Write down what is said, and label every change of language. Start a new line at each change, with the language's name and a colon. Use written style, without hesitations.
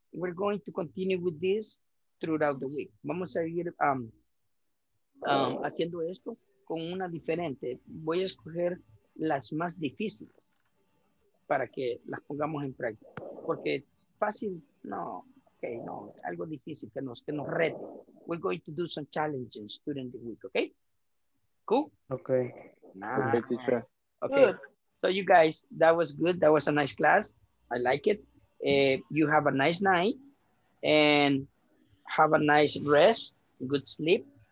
English: We're going to continue with this throughout the week.
Spanish: Vamos a ir haciendo esto con una diferente. Voy a escoger las más difíciles para que las pongamos en práctica. Porque fácil, no. Okay, no, algo difícil que nos rete.
English: We're going to do some challenges during the week, okay? Cool? Okay. Nice. Okay, so you guys, that was good. That was a nice class. I like it. You have a nice night and have a nice rest, good sleep.